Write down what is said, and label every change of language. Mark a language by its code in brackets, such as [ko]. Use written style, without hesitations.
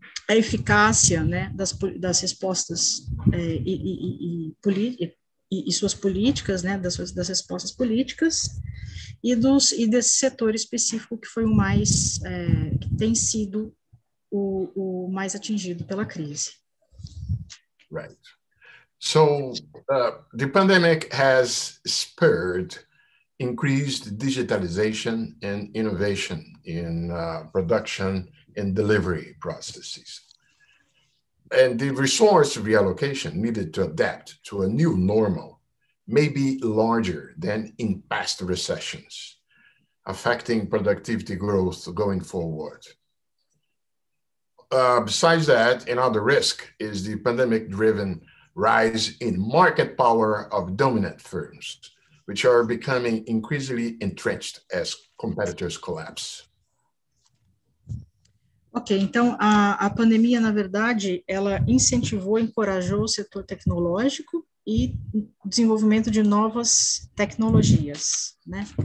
[pt] eficácia, né, das respostas e suas políticas, né, das respostas políticas, e desse setor específico que foi o mais, que tem sido o mais atingido pela crise. [en] Right. So the pandemic has spurred increased digitalization and innovation in production and delivery processes. And the resource reallocation needed to adapt to a new normal may be larger than in past recessions, affecting productivity growth going forward. Besides that, another risk is the pandemic-driven rise in market power of dominant firms, which are becoming increasingly entrenched as competitors collapse. [pt] Ok, então a pandemia, na verdade, ela incentivou, encorajou o setor tecnológico e desenvolvimento de novas tecnologias, né?